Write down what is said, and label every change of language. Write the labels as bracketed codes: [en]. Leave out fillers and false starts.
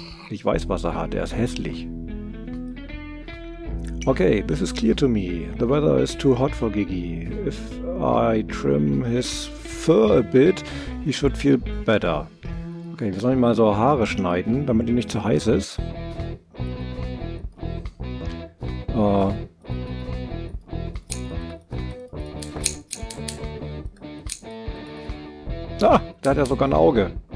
[de] Ich weiß, was er hat. Er ist hässlich. [en] Okay, this is clear to me. The weather is too hot for Gigi. If I trim his fur a bit, he should feel better. [de] Okay, wir sollen ihm mal so Haare schneiden, damit ihm nicht zu heiß ist. Da hat er sogar ein Auge.